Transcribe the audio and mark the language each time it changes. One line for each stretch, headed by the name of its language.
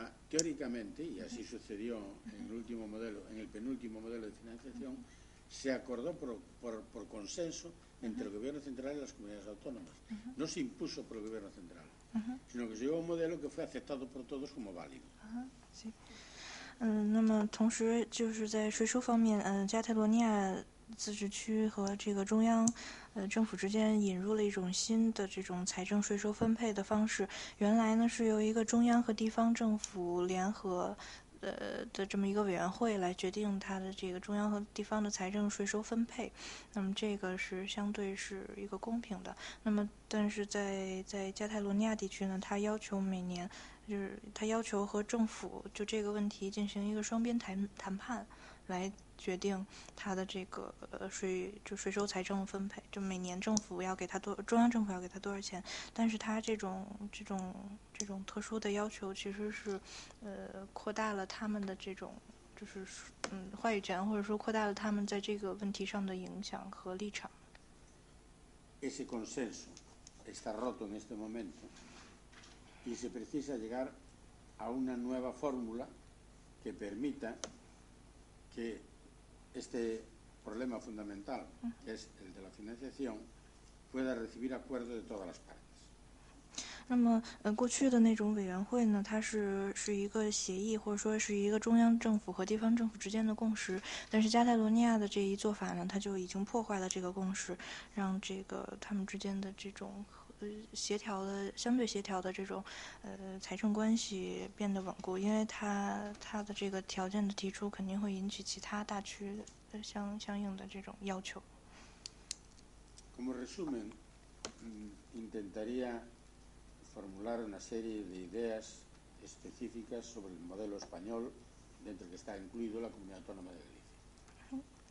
Spanish: Teóricamente, y así sucedió en el último modelo, en el penúltimo modelo de financiación, se acordó por consenso entre el gobierno central y las comunidades autónomas. No se impuso por el gobierno central, sino que se llevó un modelo que fue aceptado por todos como válido. Sí.
Chinese: 那么同时就是在税收方面，加泰罗尼亚自治区和这个中央政府之间引入了一种新的这种财政税收分配的方式。原来呢是由一个中央和地方政府联合的这么一个委员会来决定它的这个中央和地方的财政税收分配，那么这个是相对是一个公平的。那么但是在加泰罗尼亚地区呢，它要求每年就是它要求和政府就这个问题进行一个双边谈判来决定它的这个税收财政分配，就每年政府要给它多中央政府要给它多少钱。但是它这种特殊的要求其实是扩大了他们的这种就是话语权，或者说扩大了他们在这个问题上的影响和立场。
Spanish: Ese consenso está roto en este momento y se precisa llegar a una nueva fórmula que permita que este problema fundamental, que es el de la financiación, pueda recibir acuerdo de todas las partes.
Chinese: 那么过去的那种委员会呢，它是一个协议，或者说是一个中央政府和地方政府之间的共识。但是加泰罗尼亚的这一做法呢，它就已经破坏了这个共识，让这个他们之间的这种协调的相对协调的这种财政关系变得稳固。因为它的这个条件的提出肯定会引起其他大区的相应的这种要求。
Spanish: Como resumen, intentaría formular una serie de ideas específicas sobre el modelo español dentro que está incluido la Comunidad Autónoma de Galicia.